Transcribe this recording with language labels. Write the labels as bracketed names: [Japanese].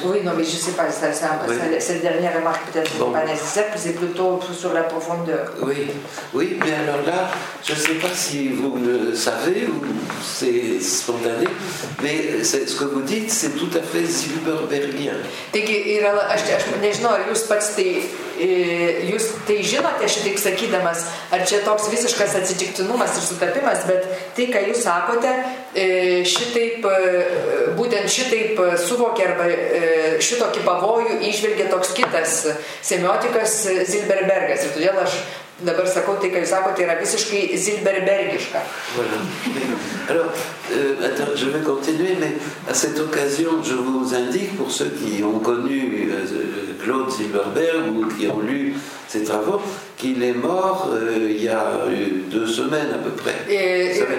[French] Oui, non, mais je sais pas. C'est la dernière remarque peut-être bon. Pas nécessaire. C'est plutôt sur la profondeur. Oui, oui. Mais alors là, je sais pas si vous le savez ou c'est spontané, mais c'est ce que vous dites, c'est tout à fait Silberbergien. [Lithuanian] Taigi, yra, aš nežinau, ar jūs tai žinote, šitaip sakydamas, ar čia toks visiškas atsitiktinumas ir sutapimas, bet tai, ką jūs sakote, šitaip, būtent šitaip suvokė arba šitokį pavojų išvelgė toks kitas semiotikas Zilberbergas. Ir todėl aš dabar sakau tai, ką jūs sakote, yra visiškai zilberbergiška. [French] Alors, je vais continuer, mais à cette occasion, je vous indique, pour ceux qui ont connu Claude Zilberberg ou qui ont lu ses travaux, qu'il est mort il y a deux semaines à peu près.